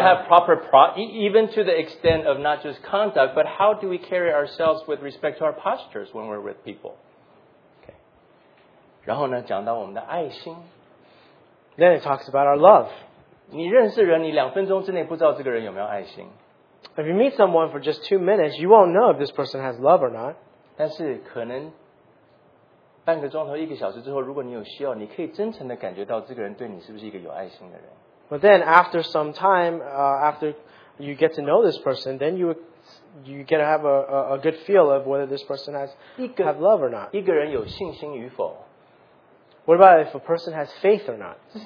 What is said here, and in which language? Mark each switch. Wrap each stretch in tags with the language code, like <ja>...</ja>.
<en>have proper even to the extent of not just conduct, but how do we carry ourselves with respect to our postures when we're with people? Okay.</en> <zh>然后呢, 讲到我们的爱心,</zh> <en>then it talks about our love.</en> <zh>你认识人, 你两分钟之内不知道这个人有没有爱心。</zh> <en>If you meet someone for just 2 minutes, you won't know if this person has love or not.</en> <zh>但是可能半个钟头,一个小时之后, 如果你有需要, 你可以真诚地感觉到这个人对你是不是一个有爱心的人。</zh> <en>But then after some time, after you get to know this person, then you get to have a good feel of whether this person has have love or not.</en> <zh>一个人有信心与否?</zh> <en>What about if a person has faith or not?</en>